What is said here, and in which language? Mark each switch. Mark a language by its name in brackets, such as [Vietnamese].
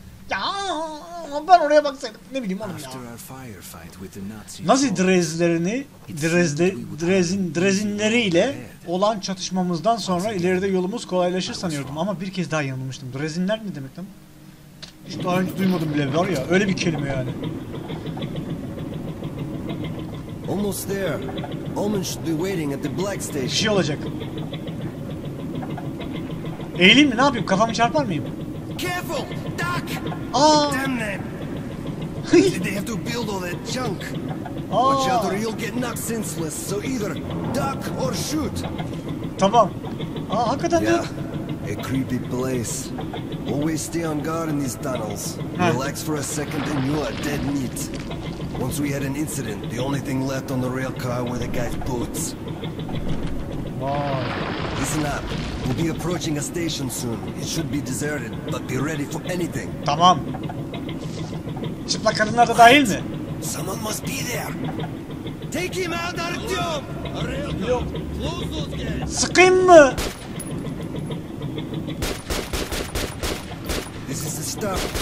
[Turkish] Ya ben oraya baksaydım. Ne bileyim oğlum ya. Nazi Drezlerini, Drezinleriyle olan çatışmamızdan sonra ileride yolumuz kolaylaşır sanıyordum. Ama bir kez daha yanılmıştım. Drezinler ne demek lan? Hiç daha önce duymadım bile, var ya. Öyle bir kelime yani. [English] Almost there. Omen should be waiting at the black station. [Turkish] Bir şey olacak. Eğileyim mi? Ne yapayım? Kafamı çarpar mıyım? [English] Careful, duck. Damn them. Did they have to build all that junk? Watch out or you'll get knocked senseless. So either duck or shoot. [Turkish] Tamam. Aa, hakikaten [English] yeah. A creepy place. Always stay on guard in these tunnels. Relax for a second and you are dead meat. Once we had an incident, the only thing left on the rail car were the guy's boots. Wow. Listen up. We'll be approaching a station soon. It should be deserted, but be ready for anything. [Turkish] Tamam. Çıplak kadınlar da dahil mi? [English] Someone must be there. Take him out, Artyom! [Turkish] Yok. [English] Close those guys. [Turkish] Sıkayım mı? [English] This is the stuff.